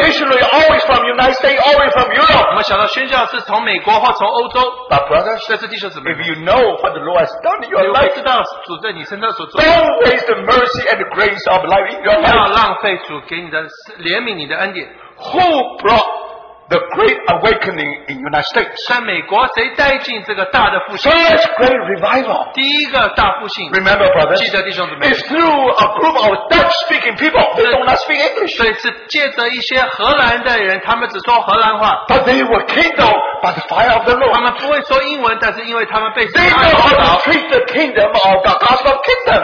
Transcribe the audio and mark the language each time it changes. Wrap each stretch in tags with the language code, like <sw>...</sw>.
<en>missionary always from the United States, always from Europe. But brothers, if you know what the Lord has done in your life, don't waste the mercy and the grace of life in your life.</en> <zh>不要浪费主给你的怜悯你的恩典。</zh> <en>Who brought the great awakening in the United States?</en> <zh>在美国谁带进这个大的复兴?</zh> <en>First great revival.</en> <zh>第一个大复兴,</zh> <en>remember, brothers,</en> <zh>记得弟兄姊妹,</zh> <en>it's through a group of Dutch speaking people. They do not speak English.</en> <zh>对，是借着一些荷兰的人, 他们只说荷兰话,</zh> <en>but they were kindled by the fire of the Lord.</en> <zh>他们不会说英文, 但是因为他们被神的爱,</zh> <en>they know how to preach the kingdom of the gospel of kingdom.</en>